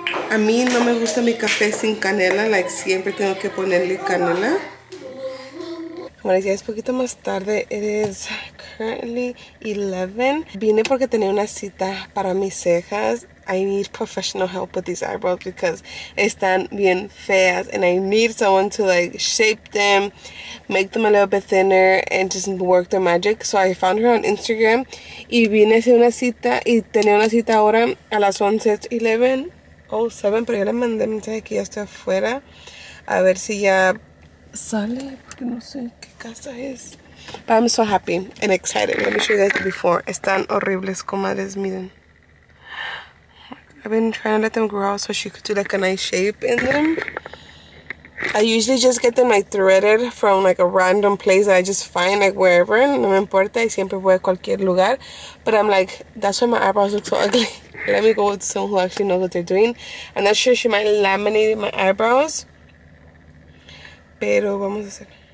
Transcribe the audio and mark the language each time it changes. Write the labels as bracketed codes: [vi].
[es] A mí no me gusta mi café sin canela, like siempre tengo que ponerle canela. Bueno, ya es poquito más tarde, [en] it is currently 11. [es] Vine porque tenía una cita para mis cejas. [en] I need professional help with these eyebrows because [es] están bien feas [en] and I need someone to like shape them, make them a little bit thinner and just work their magic. So I found her on Instagram [es] y vine a hacer una cita y tenía una cita ahora a las 11:11. Oh, saben, pero yo le mandé mensaje que ya estoy afuera. A ver si ya sale, porque no sé qué casa es. [en] But I'm so happy and excited. Let me show you guys the before. [es] Están horribles, comadres, miren. [en] I've been trying to let them grow so she could do like a nice shape in them. I usually just get them like threaded from like a random place that I just find, like wherever. [es] No me importa, y siempre voy a cualquier lugar. [en] But I'm like, that's why my eyebrows look so ugly. Let me go with someone who actually knows what they're doing. I'm not sure she might laminate my eyebrows. [es] Pero vamos a hacer.